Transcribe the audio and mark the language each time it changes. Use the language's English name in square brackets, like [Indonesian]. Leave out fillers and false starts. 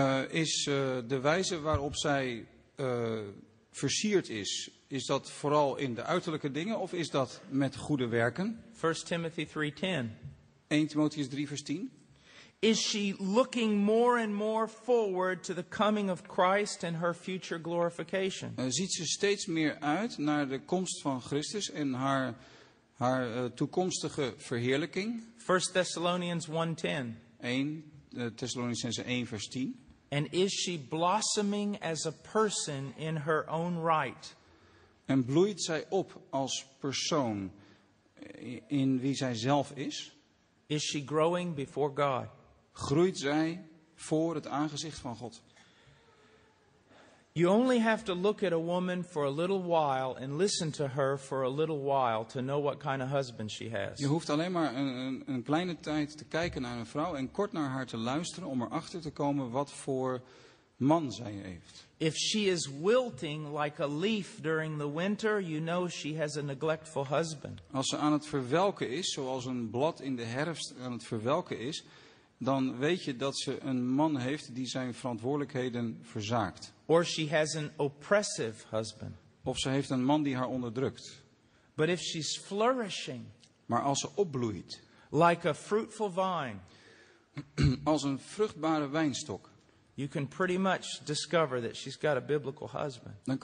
[Dutch] Is de wijze waarop zij versierd is, is dat vooral in de uiterlijke dingen of is dat met goede werken? [English] 1 Timothy 3:10. [Dutch] 1 Timotheus 3 vers 10. [English] Is she looking more and more forward to the coming of Christ and her future glorification? [Dutch] Ziet ze steeds meer uit naar de komst van Christus en haar toekomstige verheerlijking? [English] 1 Thessalonians 1:10. [Dutch] 1 Thessalonicenzen 1 vers 10. [English] And is she blossoming as a person in her own right? [Dutch] En bloeit zij op als persoon in wie zij zelf is? [English] Is she growing before God? [Dutch] Groeit zij voor het aangezicht van God? [English] You only have to look at a woman for a little while and listen to her for a little while to know what kind of husband she has. [Dutch] Je hoeft alleen maar een kleine tijd te kijken naar een vrouw en kort naar haar te luisteren om erachter te komen wat voor man zij heeft. [English] If she is wilting like a leaf during the winter, you know she has a neglectful husband. [Dutch] Als ze aan het verwelken is, zoals een blad in de herfst aan het verwelken is, dan weet je dat ze een man heeft die zijn verantwoordelijkheden verzaakt. [English] Or she has an oppressive husband. [Dutch] Of ze heeft een man die haar onderdrukt. [English] But if she's flourishing, [Dutch] maar als ze opbloeit, [English] like a fruitful vine, [Dutch] als een vruchtbare wijnstok, [English] you can pretty much discover that she's got a biblical husband.